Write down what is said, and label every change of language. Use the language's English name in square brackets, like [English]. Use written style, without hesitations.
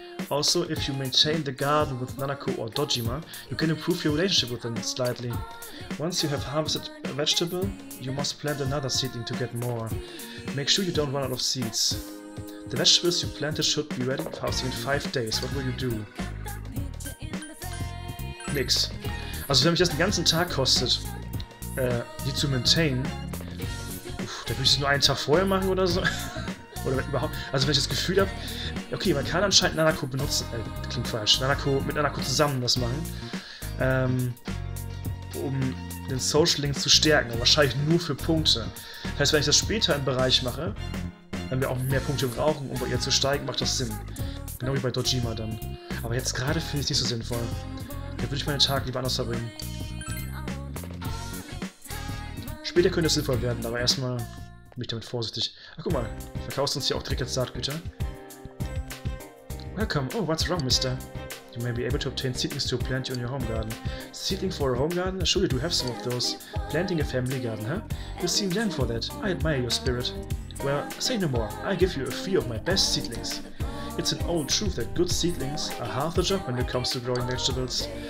[English] Also, if you maintain the garden with Nanako or Dojima, you can improve your relationship with them slightly. Once you have harvested a vegetable, you must plant another seedling to get more. Make sure you don't run out of seeds. The vegetables you planted should be ready for harvesting in 5 days. What will you do? [German] Nix. Also, wenn mich das den ganzen Tag kostet, die zu maintainen, dann würde ich es nur einen Tag vorher machen oder so. Oder überhaupt. Also wenn ich das Gefühl habe. Okay, man kann anscheinend Nanako benutzen. Klingt falsch. Nanako mit Nanako zusammen das machen. Um den Social Link zu stärken. Wahrscheinlich nur für Punkte. Das heißt, wenn ich das später im Bereich mache, wenn wir auch mehr Punkte brauchen, um bei ihr zu steigen, macht das Sinn. Genau wie bei Dojima dann. Aber jetzt gerade finde ich es nicht so sinnvoll. Da würde ich meinen Tag lieber anders verbringen. Später könnte es sinnvoll werden, aber erstmal. Mich damit vorsichtig. Ach, guck mal, verkaufst uns hier auch direkt als Saatgüter. [English] Welcome. Oh, what's wrong, mister? You may be able to obtain seedlings to plant you in your home garden. Seedling for a home garden? Surely you have some of those. Planting a family garden, huh? You seem young for that. I admire your spirit. Well, say no more. I give you a few of my best seedlings. It's an old truth that good seedlings are half the job when it comes to growing vegetables.